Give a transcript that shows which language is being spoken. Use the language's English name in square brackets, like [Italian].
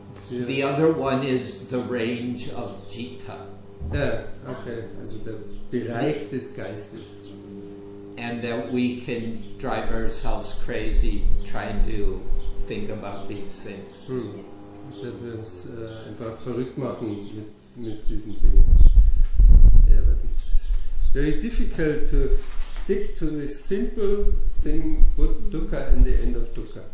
[English] Yeah. The other one is the range of citta. Yeah, okay. Also the [German] Bereich des Geistes. [English] And that we can drive ourselves crazy trying to think about these things. [German] Dass wir uns einfach verrückt machen mit diesen Dingen. [English] Yeah, but it's very difficult to stick to this simple thing, dukkha and the end of dukkha.